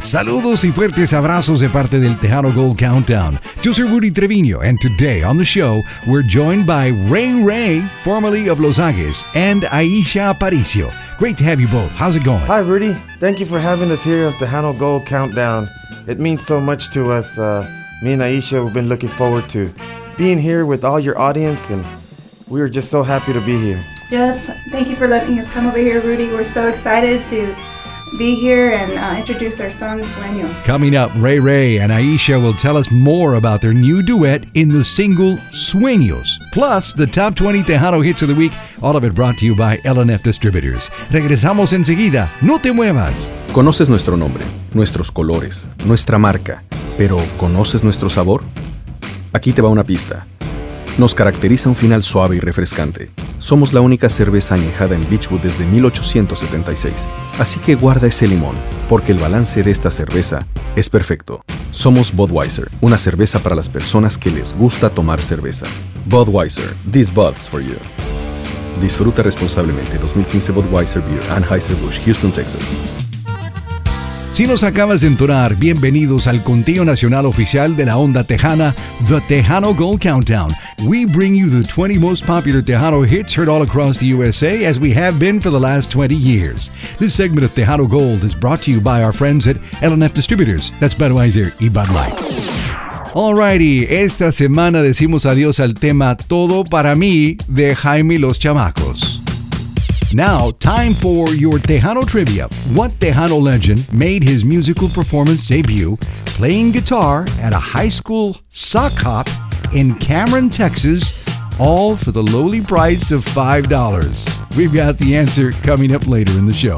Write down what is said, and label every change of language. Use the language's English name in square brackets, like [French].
[Spanish] Saludos y fuertes abrazos de parte del Tejano Gold Countdown. Yo soy [English] Rudy Treviño, and today on the show, we're joined by Ray Ray, formerly of Los Angeles, and Aisha Aparicio. Great to have you both. How's it going? Hi, Rudy. Thank you for having us here on Tejano Gold Countdown. It means so much to us. Me and Aisha, we've been looking forward to being here with all your audience, and we are just so happy to be here. Yes, thank you for letting us come over here, Rudy. We're so excited to be here and introduce our song, Sueños. Coming up, Ray Ray and Aisha will tell us more about their new duet in the single Sueños, plus the top 20 Tejano hits of the week, all of it brought to you by LNF Distributors. [Spanish] Regresamos enseguida. No te muevas. ¿Conoces nuestro nombre, nuestros colores, nuestra marca, pero conoces nuestro sabor? Aquí te va una pista. Nos caracteriza un final suave y refrescante. Somos la única cerveza añejada en Beachwood desde 1876. Así que guarda ese limón, porque el balance de esta cerveza es perfecto. Somos Budweiser, una cerveza para las personas que les gusta tomar cerveza. [English] Budweiser, this Bud's for you. [Spanish] Disfruta responsablemente. 2015 Budweiser Beer, Anheuser-Busch, Houston, Texas. Si nos acabas de entonar, bienvenidos al conteo nacional oficial de la onda tejana, The Tejano Gold Countdown. [English] We bring you the 20 most popular Tejano hits heard all across the USA as we have been for the last 20 years. This segment of Tejano Gold is brought to you by our friends at LNF Distributors. That's Budweiser y Bud Light. [Spanish] Alrighty, esta semana decimos adiós al tema Todo Para Mí de Jaime Los Chamacos. [English] Now, time for your Tejano trivia. What Tejano legend made his musical performance debut playing guitar at a high school sock hop in Cameron, Texas, all for the lowly price of $5? We've got the answer coming up later in the show.